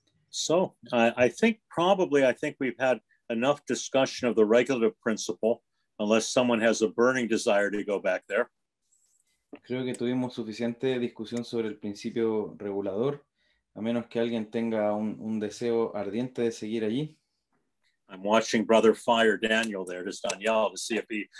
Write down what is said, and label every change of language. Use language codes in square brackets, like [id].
[en] So, I think we've had enough discussion of the regulative principle, unless someone has a burning desire to go back there. [es] Creo que tuvimos suficiente discusión sobre el principio regulador, a menos que alguien tenga un deseo ardiente de seguir allí. [en] I'm watching Brother Fire Daniel there, just on y'all, to see if he...